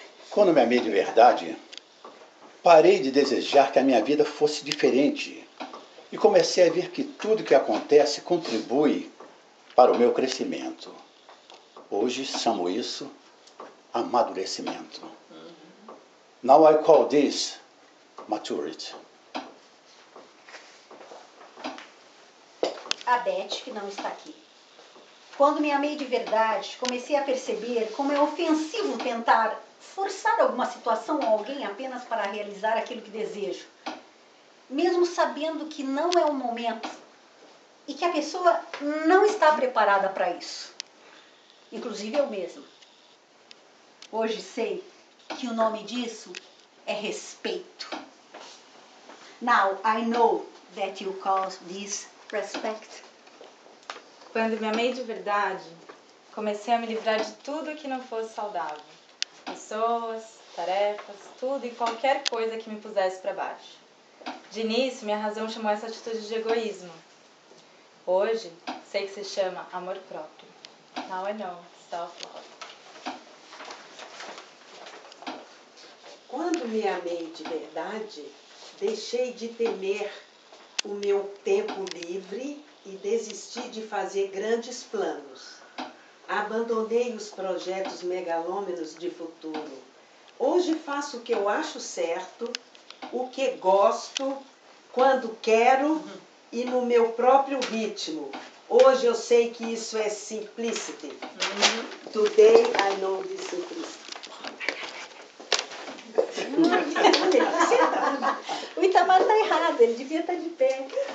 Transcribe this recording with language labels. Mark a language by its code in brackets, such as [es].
[pt] Quando me amei de verdade, parei de desejar que a minha vida fosse diferente e comecei a ver que tudo que acontece contribui para o meu crescimento. Hoje chamo isso amadurecimento. [en] Now I call this maturity. [pt] A Beth, que não está aqui. Quando me amei de verdade, comecei a perceber como é ofensivo tentar forçar alguma situação ou alguém apenas para realizar aquilo que desejo, mesmo sabendo que não é o momento e que a pessoa não está preparada para isso, inclusive eu mesma. Hoje sei que o nome disso é respeito. [en] Now I know that you call this respect. [pt] Quando me amei de verdade, comecei a me livrar de tudo que não fosse saudável. Pessoas, tarefas, tudo e qualquer coisa que me pusesse para baixo. De início, minha razão chamou essa atitude de egoísmo. Hoje, sei que se chama amor próprio. [en] Now I know, self-love. [pt] Quando me amei de verdade, deixei de temer o meu tempo livre e desisti de fazer grandes planos. Abandonei os projetos megalômanos de futuro. Hoje faço o que eu acho certo, o que gosto, quando quero e no meu próprio ritmo. Hoje eu sei que isso é simplicity. [en] Today I know this is simplicity. [pt] O Itamar está errado, ele devia estar de pé.